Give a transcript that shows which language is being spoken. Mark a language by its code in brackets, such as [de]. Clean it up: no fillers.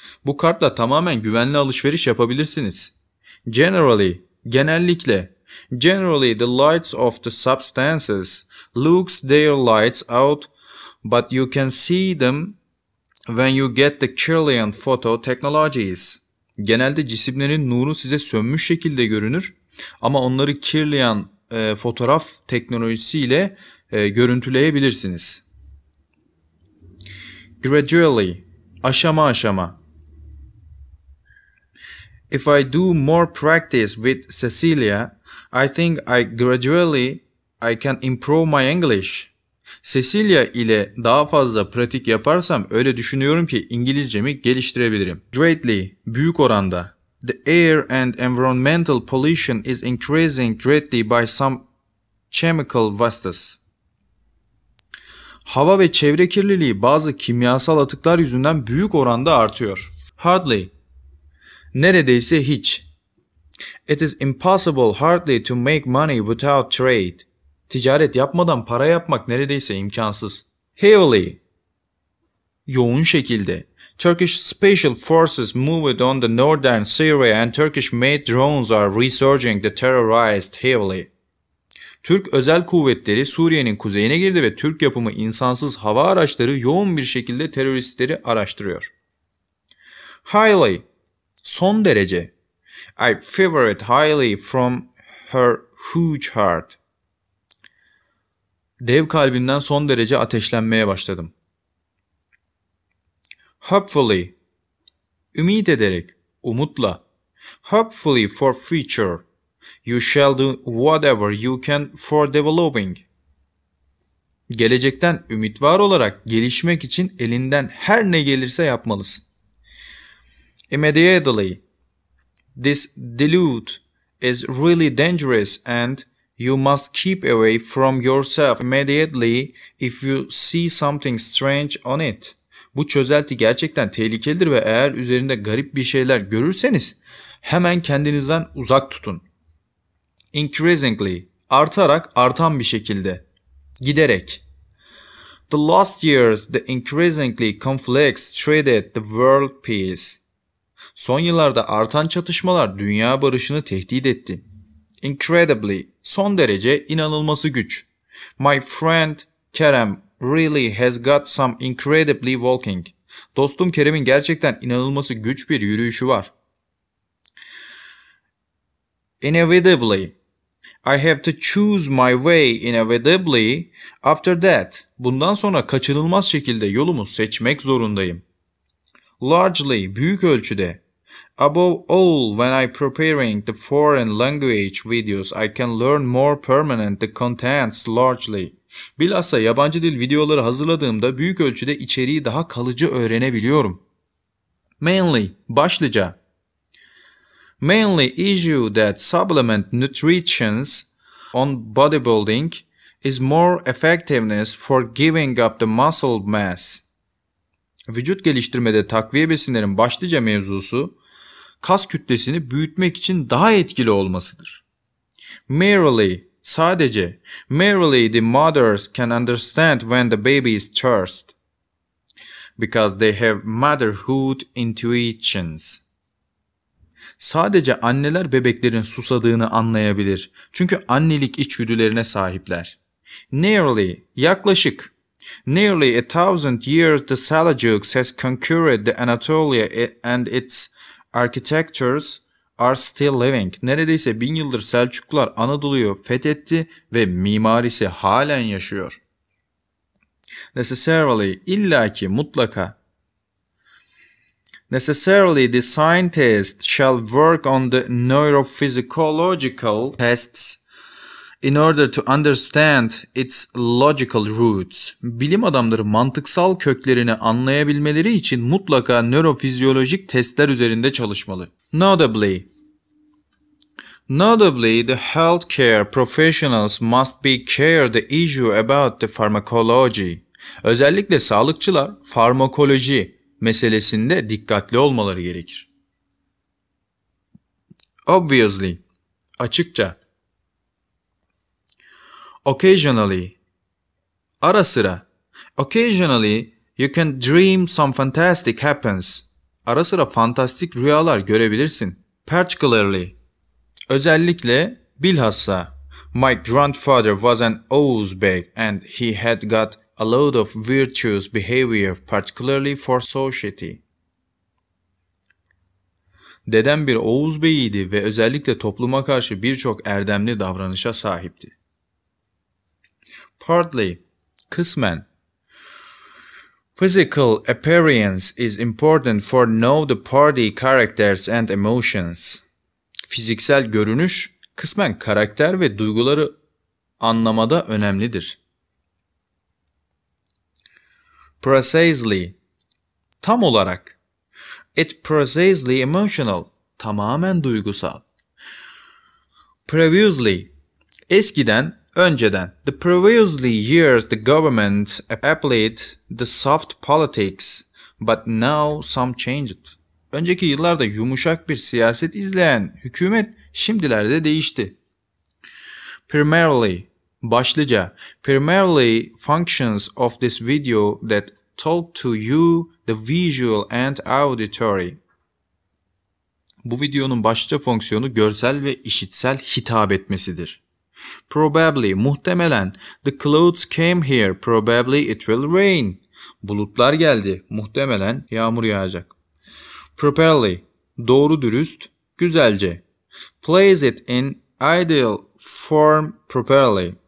[tr] Bu kartla tamamen güvenli alışveriş yapabilirsiniz. [en] Generally, genellikle. Generally, the lights of the substances looks their lights out, but you can see them when you get the Kirlian photo technologies. [tr] Genelde cisimlerin nuru size sönmüş şekilde görünür ama onları Kirlian fotoğraf teknolojisiyle görüntüleyebilirsiniz. Gradually, aşama aşama. [en] If I do more practice with Cecilia, I think I gradually I can improve my English. [tr] Cecilia ile daha fazla pratik yaparsam öyle düşünüyorum ki İngilizcemi geliştirebilirim. Greatly, büyük oranda. [en] The air and environmental pollution is increasing greatly by some chemical wastes. [tr] Hava ve çevre kirliliği bazı kimyasal atıklar yüzünden büyük oranda artıyor. [en] Hardly, [tr] neredeyse hiç. [en] It is impossible hardly to make money without trade. [tr] Ticaret yapmadan para yapmak neredeyse imkansız. [en] Heavily, [tr] yoğun şekilde. [en] Turkish special forces moved on the northern Syria and Turkish made drones are resurging the terrorized heavily. [tr] Türk özel kuvvetleri Suriye'nin kuzeyine girdi ve Türk yapımı insansız hava araçları yoğun bir şekilde teröristleri araştırıyor. [en] Highly, [tr] son derece. [en] I fear it highly from her huge heart. [tr] Dev kalbinden son derece ateşlenmeye başladım. [en] Hopefully, [tr] ümit ederek, umutla. [en] Hopefully for future. You shall do whatever you can for developing. [tr] Gelecekten ümit var olarak gelişmek için elinden her ne gelirse yapmalısın. [en] Immediately, this dilute is really dangerous and you must keep away from yourself immediately if you see something strange on it. [tr] Bu çözelti gerçekten tehlikelidir ve eğer üzerinde garip bir şeyler görürseniz hemen kendinizden uzak tutun. [en] Increasingly, [tr] artarak, artan bir şekilde, giderek. [en] The last years, the increasingly complex threatened the world peace. [tr] Son yıllarda artan çatışmalar dünya barışını tehdit etti. [en] Incredibly, [tr] son derece, inanılması güç. [en] My friend Kerem really has got some incredibly walking. [tr] Dostum Kerem'in gerçekten inanılması güç bir yürüyüşü var. [en] Inevitably, I have to choose my way inevitably after that. [tr] Bundan sonra kaçınılmaz şekilde yolumu seçmek zorundayım. [en] Largely, [tr] büyük ölçüde. [en] Above all, when I preparing the foreign language videos, I can learn more permanent the contents largely. [tr] Bilhassa yabancı dil videoları hazırladığımda büyük ölçüde içeriği daha kalıcı öğrenebiliyorum. [en] Mainly, [tr] başlıca. [en] Mainly issue that supplement nutrients on bodybuilding is more effectiveness for giving up the muscle mass. [tr] Vücut geliştirmede takviye besinlerin başlıca mevzusu kas kütlesini büyütmek için daha etkili olmasıdır. [en] Merely, sadece. Merely the mothers can understand when the baby is thirst because they have motherhood intuitions. [tr] Sadece anneler bebeklerin susadığını anlayabilir. Çünkü annelik içgüdülerine sahipler. [en] Nearly, yaklaşık. Nearly a thousand years the Seljuks has conquered the Anatolia and its architectures are still living. [tr] Neredeyse 1000 yıldır Selçuklular Anadolu'yu fethetti ve mimarisi halen yaşıyor. Necessarily, illaki, mutlaka. [en] Necessarily the scientists shall work on the neurophysiological tests in order to understand its logical roots. [tr] Bilim adamları mantıksal köklerini anlayabilmeleri için mutlaka nörofizyolojik testler üzerinde çalışmalı. [en] Notably, the healthcare professionals must be care the issue about the pharmacology. [tr] Özellikle sağlıkçılar farmakoloji meselesinde dikkatli olmaları gerekir. [en] Obviously, [tr] açıkça. [en] Occasionally, [tr] ara sıra. [en] Occasionally, you can dream some fantastic happens. [tr] Ara sıra fantastik rüyalar görebilirsin. [en] Particularly, [tr] özellikle, bilhassa. [en] My grandfather was an Uzbek and he had got a load of virtuous behavior, particularly for society. [tr] Dedem bir Oğuz Bey'iydi ve özellikle topluma karşı birçok erdemli davranışa sahipti. [en] Partly, [tr] kısmen. [en] Physical appearance is important for know the party characters and emotions. [tr] Fiziksel görünüş, kısmen karakter ve duyguları anlamada önemlidir. [en] Precisely, [tr] tam olarak. [en] It precisely emotional, [tr] tamamen duygusal. [en] Previously, [tr] eskiden, önceden. [en] The previously years the government applied the soft politics, but now some changed. [tr] Önceki yıllarda yumuşak bir siyaset izleyen hükümet şimdilerde değişti. [en] Primarily, [tr] başlıca. [en] Primarily functions of this video that talk to you the visual and auditory. [tr] Bu videonun başlıca fonksiyonu görsel ve işitsel hitap etmesidir. [en] Probably, muhtemelen. The clouds came here, probably it will rain. [tr] Bulutlar geldi, muhtemelen yağmur yağacak. [en] Properly, [tr] doğru dürüst, güzelce. [en] Place it in ideal form properly.